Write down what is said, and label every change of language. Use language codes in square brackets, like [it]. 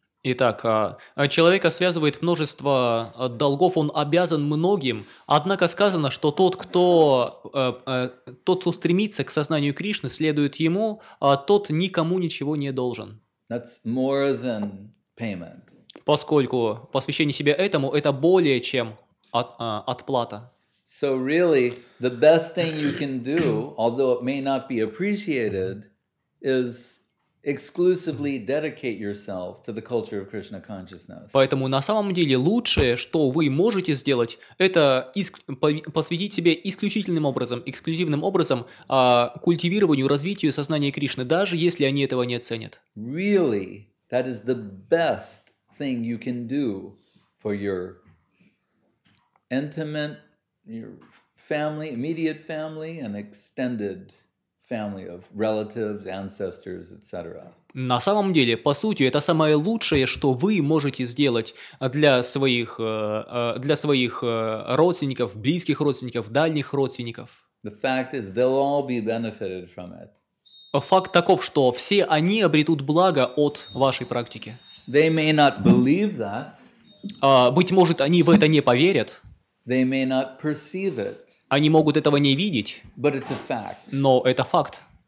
[ru] Итак, человека связывает множество долгов, он обязан многим, однако сказано, что тот, кто стремится к сознанию Кришны, следует ему, тот никому ничего не должен. [en] That's more than payment. [ru] Поскольку посвящение себя этому – это более чем отплата. [en] So really, the best thing you can do, although it may not be appreciated, is exclusively dedicate yourself to the culture of Krishna consciousness. [ru] Поэтому на самом деле лучшее, что вы можете сделать, это посвятить себе исключительным образом, эксклюзивным образом культивированию, развитию сознания Кришны, даже если они этого не оценят. [en] Really, that is the best thing you can do for your intimate, your family, immediate family, and extended family of relatives, ancestors, etc. [ru] На самом деле, по сути, это самое лучшее, что вы можете сделать для своих родственников, близких родственников, дальних родственников. [en] The fact is, they'll all be benefited from it. [ru] Факт таков, что все они обретут благо от вашей практики. [en] They may not believe that. [ru] Быть может, они в это не поверят. [en] They may not perceive it. [ru] Они могут этого не видеть, [en] but it's a fact. [ru] Но это факт.